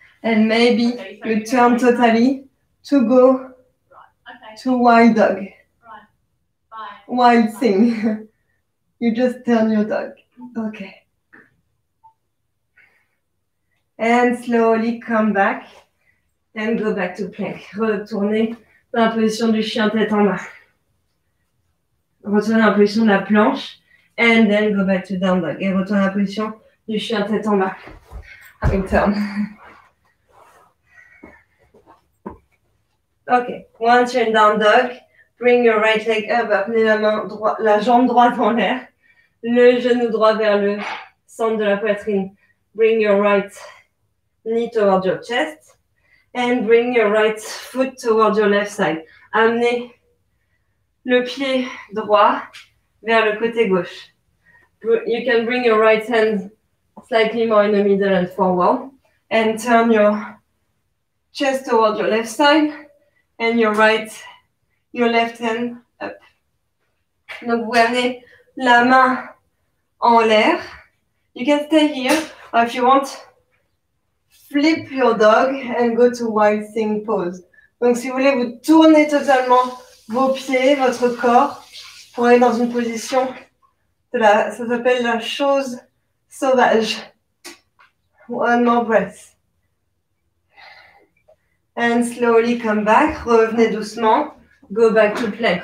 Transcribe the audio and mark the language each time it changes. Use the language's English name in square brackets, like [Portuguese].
[English] And maybe you turn totally to go to wild dog. Wild thing. You just turn your dog. Okay. And slowly come back and go back to plank. [French] Retournez dans la position du chien tête en bas. Retournez dans la position de la planche [English] and then go back to down dog. [French] Et retournez dans la position du chien tête en bas. [English] In turn. Okay, once you're in down dog, bring your right leg up. [French] Amenez la jambe droite en l'air. Le genou droit vers le centre de la poitrine. [English] Bring your right knee towards your chest and bring your right foot towards your left side. [French] Amenez le pied droit vers le côté gauche. [English] You can bring your right hand slightly more in the middle and forward and turn your chest towards your left side and your left hand up. [French] Donc vous avez la main en l'air. [English] You can stay here or if you want, flip your dog and go to wild thing pose. [French] Donc, si vous voulez, vous tournez totalement vos pieds, votre corps, pour aller dans une position de la, ça s'appelle la chose sauvage. [English] One more breath. And slowly come back. [French] Revenez doucement. [English] Go back to plank.